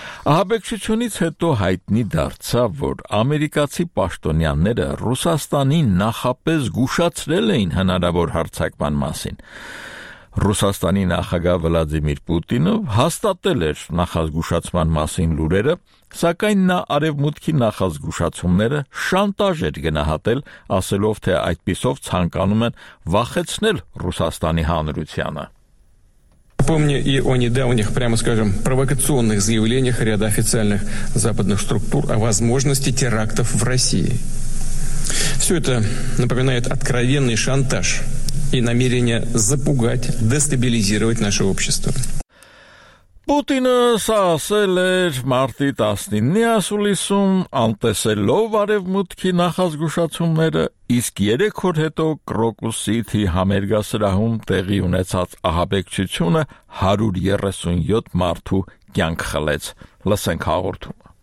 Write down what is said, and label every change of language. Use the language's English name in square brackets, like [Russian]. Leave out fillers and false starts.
[Armenian] Ահաբեկչությունից հետո հայտնի դարձավ, որ ամերիկացի պաշտոնյանները Ռուսաստանին նախապես զգուշացրել էին հնարավոր հարձակման մասին։ Ռուսաստանի նախագահ Վլադիմիր Պուտինը հաստատել էր նախազգուշացման մասին լուրերը, սակայն նա արևմուտքի նախազգուշացումները շանտաժ էր գնահատել, ասելով, թե այդպիսով ցանկանում են վախեցնել Ռուսաստանի հանրությանը։ [Russian] Помню и о недавних, прямо скажем, провокационных заявлениях ряда официальных западных структур о возможности терактов в России. Все это напоминает откровенный шантаж и намерение запугать, дестабилизировать наше общество. [Armenian] Պուտինը սա ասել էր մարտի 19-ի ասուլիսում, անտեսելով արևմուտքի նախազգուշացումները, իսկ 3 օր հետո Կրոկուս Սիթի համերգասրահում տեղի ունեցած ահաբեկչությունը 137 մարդու կյանք խլեց։ Լսենք հաղորդում։